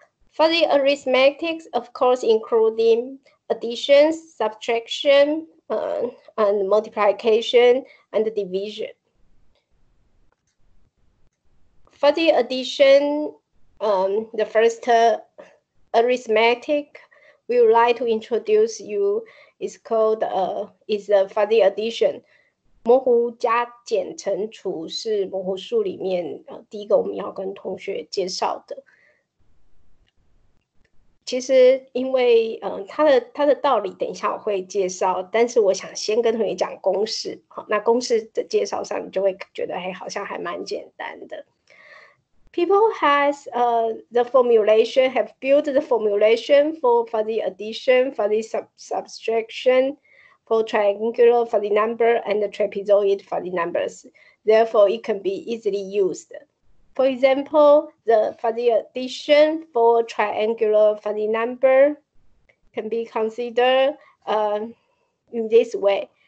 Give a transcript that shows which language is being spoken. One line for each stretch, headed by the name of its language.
English: Fuzzy arithmetics, of course, including addition, subtraction, and multiplication and division. Fuzzy addition, the first arithmetic we would like to introduce you. Is called is a fuzzy addition.
Chinese: 模糊加减乘除是模糊数里面第一个我们要跟同学介绍的。其实因为它的道理等一下我会介绍，但是我想先跟同学讲公式。好，那公式的介绍上你就会觉得好像还蛮简单的。
English: People has the formulation, have built the formulation for fuzzy addition, fuzzy subtraction, for triangular fuzzy number, and the trapezoid fuzzy numbers. Therefore, it can be easily used. For example, the fuzzy addition for triangular fuzzy number can be considered in this way.